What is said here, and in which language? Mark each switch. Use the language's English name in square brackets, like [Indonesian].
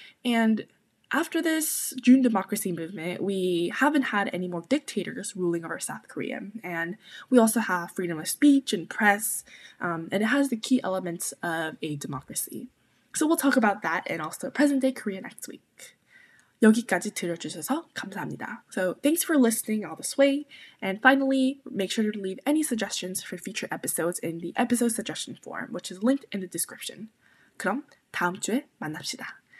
[English] And after this June Democracy Movement, we haven't had any more dictators ruling over South Korea. And we also have freedom of speech and press, and it has the key elements of a democracy. So we'll talk about that and also present-day Korea next week. [Korean] 여기까지 들어주셔서 감사합니다. [English] So thanks for listening all this way. And finally, make sure to leave any suggestions for future episodes in the episode suggestion form, which is linked in the description. [Korean] 그럼 다음 주에 만납시다.